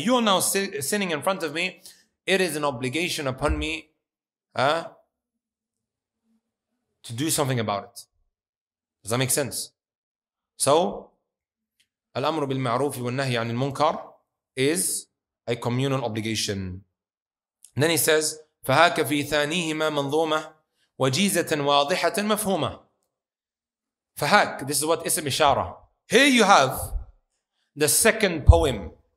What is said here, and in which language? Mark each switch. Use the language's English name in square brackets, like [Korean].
[English] But you're now sitting in front of me. It is an obligation upon me to do something about it. Does that make sense? So, [Arabic] الأمر بالمعروف والنهي عن المنكر [English] is a communal obligation. And then he says, [Arabic] فهاك في ثانيهما منظومة وجيزة واضحة مفهومة. [English] فهاك, this is what اسم إشارة. Here you have the second poem.